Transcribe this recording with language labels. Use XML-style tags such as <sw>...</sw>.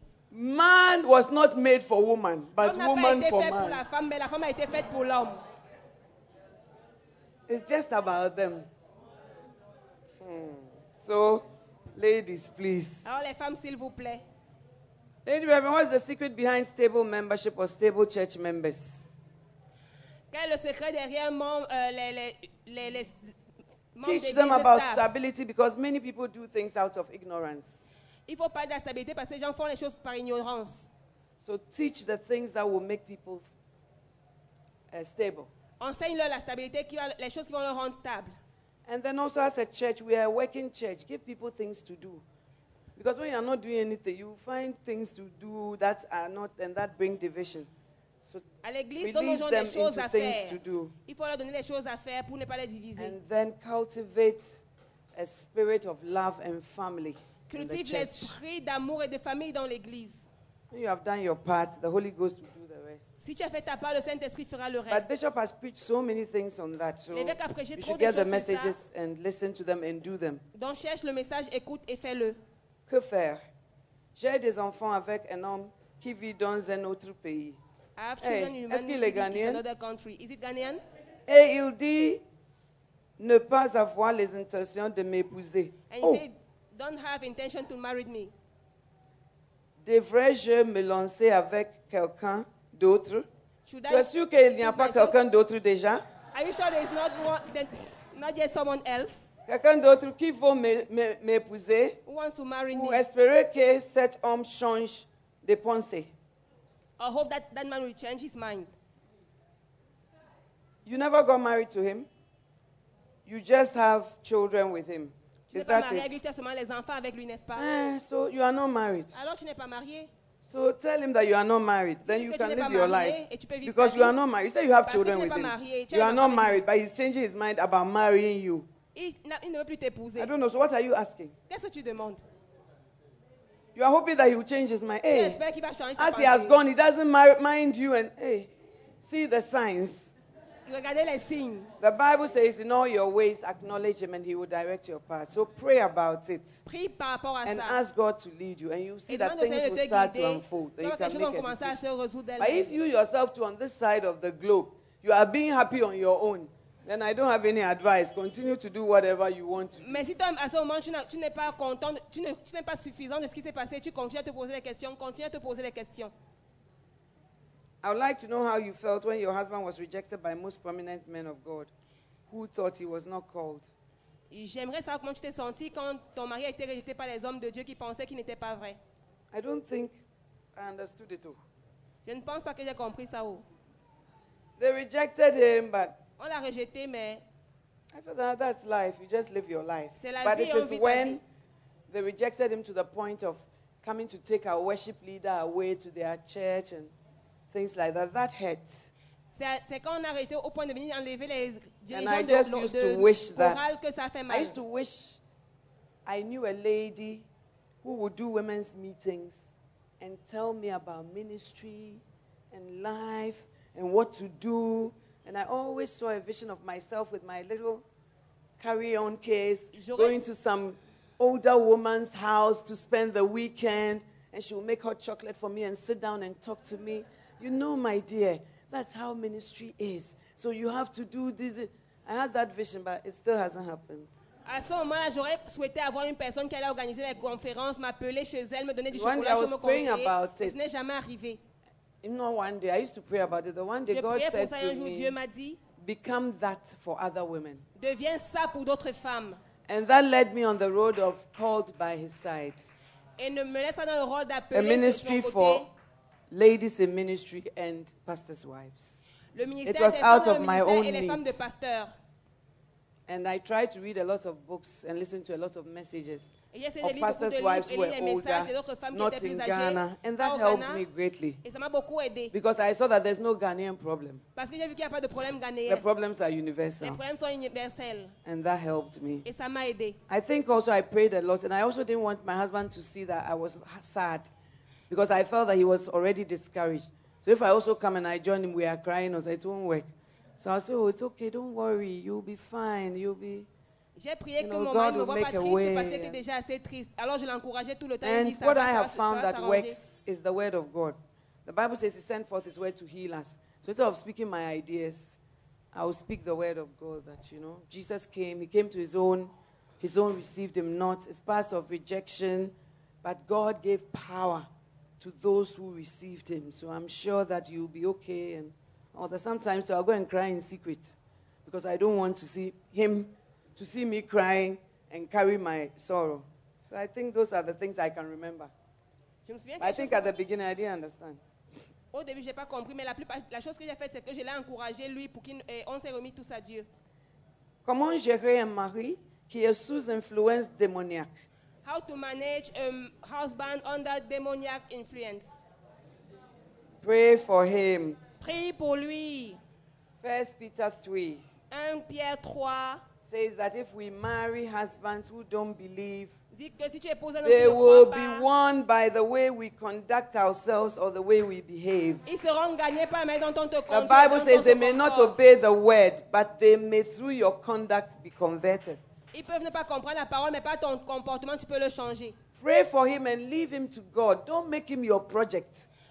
<en>Man was not made for woman, but woman for man.</en> <fr>Pour la femme, mais la femme a été faite pour l'homme.</fr> <en>It's just about them. So, ladies, please.</en> <fr>Alors les femmes, s'il vous plaît.</fr> <en>Lady Reverend, what is the secret behind stable membership or stable church members?</en> <fr>Quel est le secret derrière les</fr> <en>teach them about stability because many people do things out of ignorance.</en> <fr>Il faut parler de la stabilité parce que les gens font les choses par ignorance.</fr> <en>So teach the things that will make people stable.</en> <fr>Enseigne-leur la stabilité, les choses qui vont les rendre stables.</fr> <en>And then also as a church, we are a working church. Give people things to do. Because when you are not doing anything, you find things to do that are not, and that bring division. So</en> <fr>à l'église,</fr> <en>release them</en> <fr>des choses</fr> <en>into</en> <fr>à</fr> <en>things</en> <fr>faire.</fr> <en>To do.</en> <fr>Il faut leur donner les choses à faire pour ne pas les diviser.</fr> <en>And then cultivate a spirit of love and family.</en> <fr>Cultive</fr> <en>in the</en> <fr>l'esprit d'amour et de famille dans l'église.</fr> <en>When you have done your part, the Holy Ghost will do the rest.</en> <fr>Si tu as fait ta part, le Saint-Esprit fera le reste.</fr> <en>But Bishop has preached so many things on that, so</en> <fr>l'évêque a prêché</fr> <en>you should get the messages and listen to them and do them.</en> <fr>Donc cherche le message, écoute et fais-le. Que faire? J'ai des enfants avec un homme qui vit dans un autre pays.</fr> <en>I have children in another country. Is it Ghanaian?</en> <fr>Et il dit ne pas avoir les intentions de m'épouser.</fr> <en>And he said, don't have intention to marry me.</en> <fr>Devrais-je me lancer avec quelqu'un d'autre? Tu es sûr qu'il n'y a pas quelqu'un d'autre déjà?</fr> <en>Are you sure there is not one, not yet someone else?</en> <fr>Quelqu'un d'autre qui veut m'épouser?</fr> <en>Who wants to marry me?</en> <fr>Ou espérer que cet homme change de pensée?</fr> <en>I hope that man will change his mind. You never got married to him. You just have children with him. Is that it?</en> <fr>Tu as seulement les enfants avec lui, n'est-ce pas?</fr> <en>So you are not married.</en> <fr>Alors tu n'es pas marié.</fr> <en>So tell him that you are not married. Then you can live your life. Because you are not married. You say you have children with him. You are not married, but he's changing his mind about marrying you.</en> <fr>Il ne veut plus t'épouser.</fr> <en>I don't know. So what are you asking?</en> <fr>Qu'est-ce que tu demandes?</fr> <en>You are hoping that he will change his mind. Hey,</en> <fr>j'espère qu'il va changer sa</fr> <en>as he has gone, he doesn't mind you. And hey, see the signs.</en> <fr>Regardez les signes.</fr> <en>The Bible says, in all your ways, acknowledge him and he will direct your path. So pray about it.</en> <fr>Prie par rapport à</fr> <en>and</en> <fr>ça.</fr> <en>Ask God to lead you. And you see that things will start to unfold. And you can make a decision. But if you yourself too on this side of the globe, you are being happy on your own, then I don't have any advice. Continue to do whatever you want to do.</en> <fr>Mais si toi, à ce moment, tu n'es pas content, tu n'es pas suffisant de ce qui s'est passé, tu continues à te poser les questions, continue à te poser les questions.</fr> <en>I would like to know how you felt when your husband was rejected by most prominent men of God who thought he was not called.</en> <fr>J'aimerais savoir comment tu t'es senti quand ton mari a été rejeté par les hommes de Dieu qui pensaient qu'il n'était pas vrai.</fr> <en>I don't think I understood it all.</en> <fr>Je ne pense pas que j'ai compris ça.</fr> <en>They rejected him, but</en> <fr>on l'a rejeté, mais</fr> <en>I thought that that's life. You just live your life.</en> <fr>C'est la</fr> <en>but</en> <fr>vie,</fr> <en>it is when they rejected him to the point of coming to take our worship leader away to their church and things like that, that hurt.</en> <fr>C'est quand on a arrêté au point de venir enlever les dirigeants</fr> <en>and I just</en> <fr>de,</fr> <en>used</en> <fr>de</fr> <en>to wish that.</en> <fr>Chorale que ça fait mal.</fr> <en>I used to wish I knew a lady who would do women's meetings and tell me about ministry and life and what to do. And I always saw a vision of myself with my little carry-on case going to some older woman's house to spend the weekend and she would make hot chocolate for me and sit down and talk to me. You know, my dear, that's how ministry is. So you have to do this. I had that vision, but it still hasn't happened.</en> <fr>À ce moment-là, j'aurais souhaité avoir une personne qui allait organiser les conférences, m'appeler chez elle, me donner du chocolat, je me conseiller. Ce n'est jamais arrivé.</fr> <en>Not one day. I used to pray about it. The one day God said to me,</en> <fr>Dieu m'a dit,</fr> <en>become that for other women.</en> <fr>Deviens ça pour d'autres femmes.</fr> <en>And that led me on the road of called by his side.</en> <fr>Et ne me laisse pas dans le rôle d'appeler</fr> <en>a ministry</en> <fr>de son côté. For ladies in ministry and pastors' wives. Le ministère</fr> <en>it was out of my own need. And I tried to read a lot of books and listen to a lot of messages</en> <fr>et</fr> <en>of pastors' wives who were older, not in Ghana. And that helped Ghana, me greatly.</en> <fr>Et ça m'a beaucoup aidé.</fr> <en>Because I saw that there's no Ghanaian problem.</en> <fr>Parce que j'ai vu qu'il y a pas de problème ghanéen.</fr> <en>The problems are universal.</en> <fr>Les problèmes sont universels.</fr> <en>And that helped me.</en> <fr>Et ça m'a aidé.</fr> <en>I think also I prayed a lot. And I also didn't want my husband to see that I was sad. Because I felt that he was already discouraged. So if I also come and I join him, we are crying, or say, it won't work. So I said, oh, it's okay, don't worry, you'll be fine, you'll be... J'ai prié que mon mari ne me voit pas triste parce qu'il était déjà assez triste. Alors je l'encourageais tout le temps. And what I have found that works is the word of God. The Bible says he sent forth his word to heal us. So instead of speaking my ideas, I will speak the word of God that, you know, Jesus came, he came to his own received him not. It's part of rejection, but God gave power to those who received him. So I'm sure that you'll be okay. And all that sometimes so I'll go and cry in secret because I don't want to see him to see me crying and carry my sorrow. So I think those are the things I can remember. I think at the beginning I didn't understand.</en> <fr>Au début, j'ai pas compris, mais la chose que j'ai faite, c'est que je l'ai encouragé lui pour qu'on s'est remis tous à Dieu. Comment gérer un mari qui est sous influence démoniaque?</fr> <en>How to manage a husband under demonic influence? Pray for him.</en> <fr>Prie pour lui.</fr> <en>1 Peter 3.</en> <fr>1 Pierre 3</fr> <en>says that if we marry husbands who don't believe,</en> <fr>dit que si tu épouses un</fr> <en>they will</en> <fr>pas,</fr> <en>be won by the way we conduct ourselves or the way we behave.</en> <fr>Ils seront gagnés par la manière dont on te conduit.</fr> <en>The Bible says they may not obey the word, but they may through your conduct be converted.</en> <fr>Ils peuvent ne pas comprendre la parole, mais pas ton comportement, tu peux le changer.</fr> <en>Pray for him and leave him to God. Don't make him your project.</en>